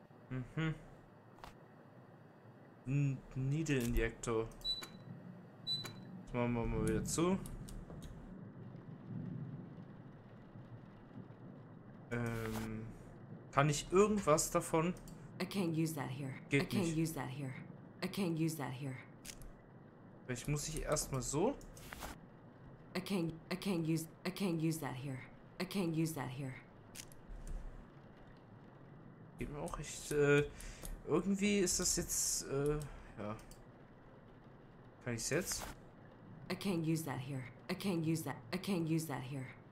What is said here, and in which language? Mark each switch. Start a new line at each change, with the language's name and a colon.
English: Mhm. Needle Injector.
German: Das machen wir mal wieder zu. Kann ich irgendwas davon?
English: I can't use that here.
German: Geht
English: I can't
German: nicht.
English: Use that here. I can't use that here.
German: Vielleicht muss ich erstmal so.
English: I can't use that here. I can't use that here.
German: Geht mir auch echt, irgendwie ist das jetzt, ja. Kann ich es jetzt?
English: I can't use that here. I can't use that. I can't use that here.